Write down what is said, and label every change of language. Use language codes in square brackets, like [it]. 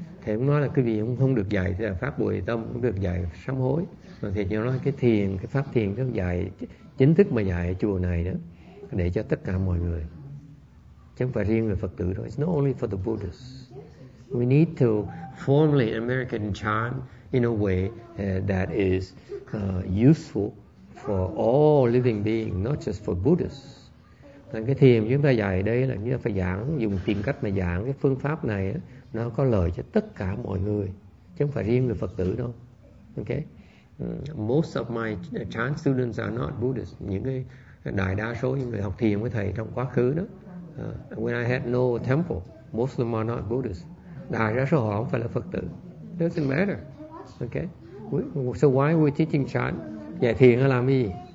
[vi] Thầy cũng nói là quý vị cũng không được dạy thì là pháp Bồ Đề Tâm, không được dạy sám hối. Mà thầy cho nói cái thiền, cái pháp thiền cái dạy chính thức mà dạy ở chùa này đó, để cho tất cả mọi người, chứ không phải riêng người Phật tử thôi. [en] It's not only for the Buddhists. We need to formulate American chant in a way that is useful for all living beings, not just for Buddhists. [vi] Nên cái thiền chúng ta dạy đây là chúng ta phải giảng, dùng tìm cách mà giảng cái phương pháp này á, nó có lợi cho tất cả mọi người, chứ không phải riêng người Phật tử đâu. [en] Okay? Most of my chant students are not Buddhists. [vi] Những cái đại đa số những người học thiền với thầy trong quá khứ đó, [en] when I had no temple, most of them are not Buddhists. [vi] Đại đa số họ không phải là Phật tử. [en] Doesn't matter. Okay? So why we teaching chant? [vi] Dạy thiền hay làm gì?